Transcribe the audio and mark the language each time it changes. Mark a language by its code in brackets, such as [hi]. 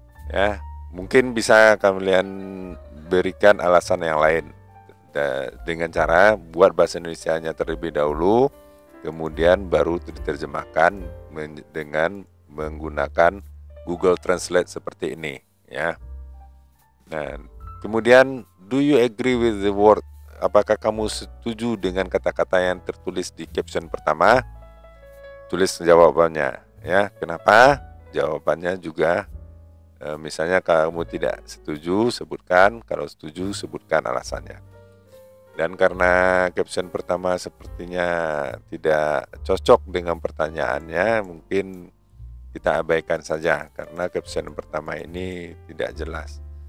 [id] Ya, mungkin bisa kalian berikan alasan yang lain dengan cara buat bahasa Indonesianya terlebih dahulu, kemudian baru diterjemahkan dengan menggunakan Google Translate seperti ini, ya. [en] Nah, kemudian do you agree with the word? [id] Apakah kamu setuju dengan kata-kata yang tertulis di caption pertama? Tulis jawabannya, ya. Kenapa? Jawabannya juga, misalnya kamu tidak setuju, sebutkan. Kalau setuju, sebutkan alasannya. Dan karena caption pertama sepertinya tidak cocok dengan pertanyaannya, mungkin kita abaikan saja karena caption pertama ini tidak jelas.